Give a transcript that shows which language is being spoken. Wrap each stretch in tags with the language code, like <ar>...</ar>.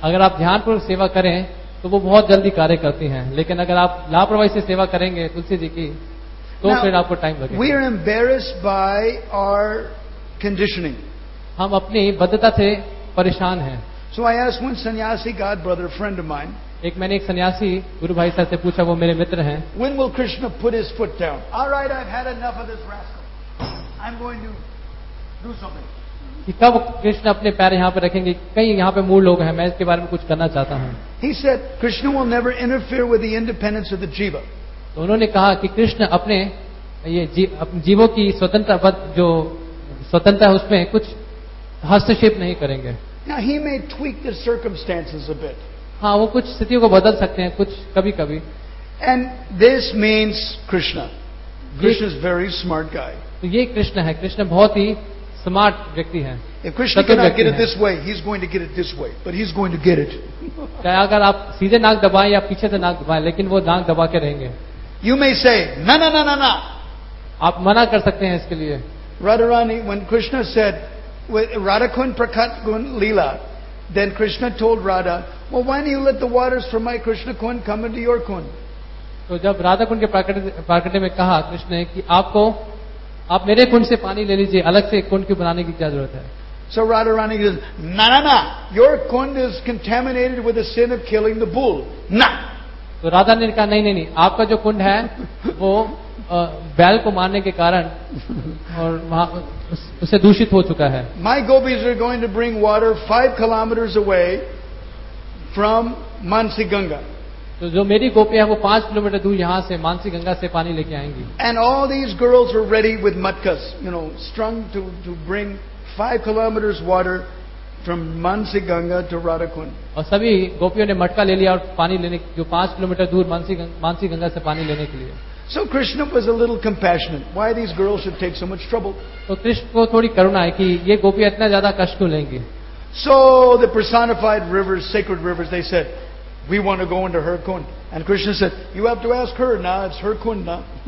<hi>अगर आप ध्यानपूर्वक सेवा करें तो वो बहुत जल्दी कार्य करती हैं, लेकिन अगर आप लापरवाही से सेवा करेंगे तुलसी जी की तो फिर आपको टाइम लगेगा.</hi> <en>We are embarrassed by our conditioning.</en> <hi>हम अपनी बद्धता से परेशान हैं.</hi> <en>So I asked one sannyasi god brother, friend of mine.</en> <hi>मैंने एक सन्यासी गुरु भाई साहब से पूछा, वो मेरे मित्र हैं.</hi> <en>When will Krishna put his foot down? All right, I've had enough of this rascal. I'm going to do something.</en> <hi>कब कृष्ण अपने पैर यहाँ पे रखेंगे? कई यहाँ पे मूल लोग हैं, मैं इसके बारे में कुछ करना चाहता हूँ.</hi> <en>He said Krishna will never interfere with the independence of the jiva.</en> <hi>तो उन्होंने कहा कि कृष्ण अपने ये जीवों की स्वतंत्रता, जो स्वतंत्रता है उसमें कुछ हस्तक्षेप नहीं करेंगे.</hi> <en>Now he may tweak the circumstances a bit.</en> <hi>हाँ, वो कुछ स्थितियों को बदल सकते हैं कुछ कभी कभी.</hi> <en>And this means Krishna. Krishna is very smart guy.</en> <hi>तो ये कृष्ण है, कृष्ण बहुत ही स्मार्ट व्यक्ति हैं.</hi> <en>If Krishna cannot get it this way, he's going to get it this way. But he's going to get it.</en> <hi>चाहे अगर आप सीधे नाक दबाएं या पीछे से नाक दबाएं, लेकिन वो नाक दबा के रहेंगे.</hi> <en>You may say, no, no, no, no, no.</en> <hi>आप मना कर सकते हैं इसके लिए.</hi> <en>Radharani, when Krishna said, Radhakund Prakat Gun Leela, then Krishna told Radha, well, why don't you let the waters from my Krishna Kund come into your Kund?</en> <hi>तो जब राधा कुंड के प्राकट्य में कहा कृष्ण ने कि आपको, आप मेरे कुंड से पानी ले लीजिए, अलग से कुंड की बनाने की क्या जरूरत है.</hi> <en>So Radharani goes, no, no, no, your Kund is contaminated with the sin of killing the bull. No.</en> <hi>तो राधा ने कहा, नहीं नहीं नहीं, आपका जो कुंड है वो बैल को मारने के कारण और वहां उसे दूषित हो चुका है.</hi> <en>My gopis are going to bring water 5 kilometers away from Mansi Ganga.</en> <hi>तो जो मेरी गोपियां हैं वो 5 kilometers दूर यहां से मानसी गंगा से पानी लेके आएंगी.</hi> <en>And all these girls are ready with matkas, you know, strung to bring 5 kilometers water from Mansi Ganga to Radhakund.</en> <hi>और सभी गोपियों ने मटका ले लिया और पानी लेने, जो 5 kilometers दूर मानसी गंगा से पानी लेने के लिए.</hi> <en>So Krishna was a little compassionate. Why these girls should take so much trouble?</en> <hi>तो कृष्ण को थोड़ी करुणा है कि ये गोपियां इतना ज्यादा कष्ट क्यों लेंगी.</hi> <en>So the personified rivers, sacred rivers, they said, we want to go into her kund. And Krishna said, you have to ask her, now it's her kund now.</en>